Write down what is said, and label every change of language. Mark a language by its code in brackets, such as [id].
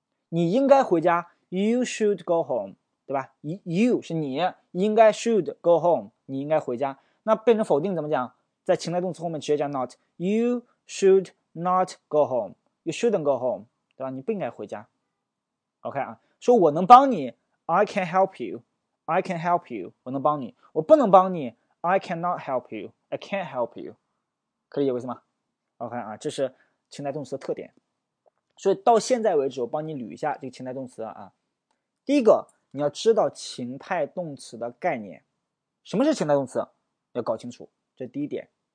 [zh] 你应该回家， [en] You should go home， [zh] 对吧？You 是你，应该 should go home，你应该回家。那变成否定怎么讲？在情态动词后面直接加 not， [en] You should not go home，You shouldn't go home， [zh] 对吧？你不应该回家。 OK 啊，说我能帮你， [en] I can help you，I can help you， [zh] 我能帮你。我不能帮你， [en] I cannot help you，I can't help you， [zh] 可以理解为什么？OK 啊，这是情态动词的特点。所以到现在为止，我帮你捋一下这个情态动词啊。第一个，你要知道情态动词的概念，什么是情态动词，要搞清楚，这第一点。